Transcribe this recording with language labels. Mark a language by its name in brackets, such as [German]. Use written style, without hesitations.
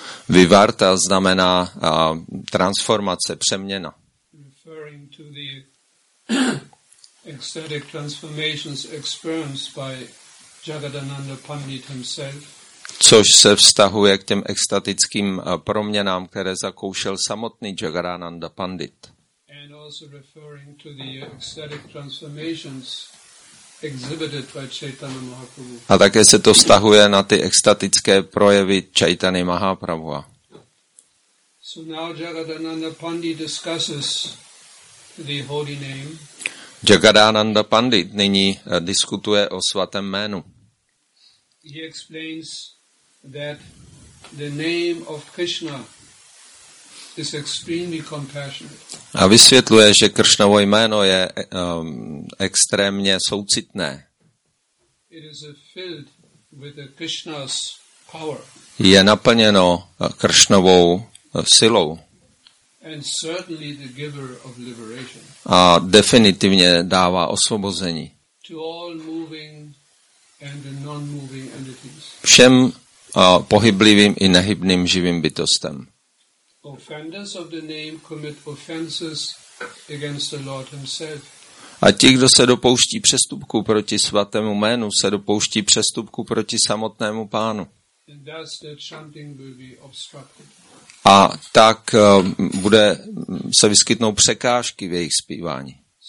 [Czech] Vivarta znamená transformace, přeměna. [English] Referring to the ecstatic transformations experienced by Jagadananda Pandit himself. [Czech] Což se vztahuje k těm extatickým proměnám, které zakoušel samotný Jagadananda Pandit. [English] And also referring to the ecstatic transformations exhibited by Chaitanya Mahaprabhu. [Czech] A také se to vztahuje na ty extatické projevy Chaitany Mahaprabhu. [English] So now Jagadananda Pandit discusses the holy name. [Czech] Jagadananda Pandit nyní diskutuje o svatém jménu. [English] He explains that the name of Krishna is extremely compassionate. [Czech] A vysvětluje, že Kršnovo jméno je extrémně soucitné. [English] It is filled with Krishna's power. [Czech] Je naplněno Kršnovou silou. [English] And certainly the giver of liberation. [Czech] A definitivně dává osvobození. [English] To all moving and non-moving entities. [Czech] Všem pohyblivým i nehybným živým bytostem. [English] Offenders of the name commit offenses against the Lord himself. [Czech] A ti, kdo se dopouští přestupku proti svatému jménu, se dopouští přestupku proti samotnému pánu. [English] And thus the chanting will be obstructed. [Czech] A tak bude se vyskytnout překážky v jejich zpívání.